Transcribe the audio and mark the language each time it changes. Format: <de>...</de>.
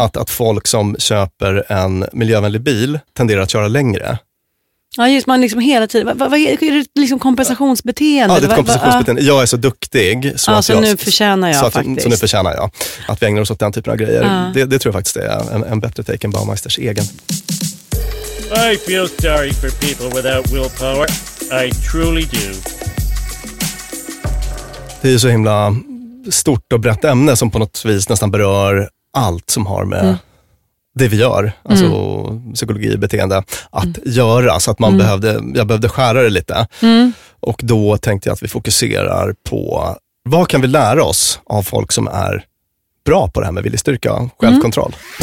<sv>Att folk som köper en miljövänlig bil tenderar att köra längre. Ja, just man liksom hela tiden, vad är det liksom kompensationsbeteende? Ja, det är kompensationsbeteende. Jag är så duktig. Så, ja, att så jag, nu förtjänar jag så att, faktiskt. Så nu förtjänar jag att vi ägnar oss åt den typen av grejer. Ja. Det tror jag faktiskt är en bättre take än Baumeisters egen.</sv> <en>I feel sorry for people without willpower. I truly do.</en> <sv>Det är ju så himla stort och brett ämne som på något vis nästan berör allt som har med... Mm. Det vi gör, alltså psykologi och beteende, att göra. Så att man behövde, jag behövde skära det lite. Mm. Och då tänkte jag att vi fokuserar på, vad kan vi lära oss av folk som är bra på det här med viljestyrka och självkontroll?</sv>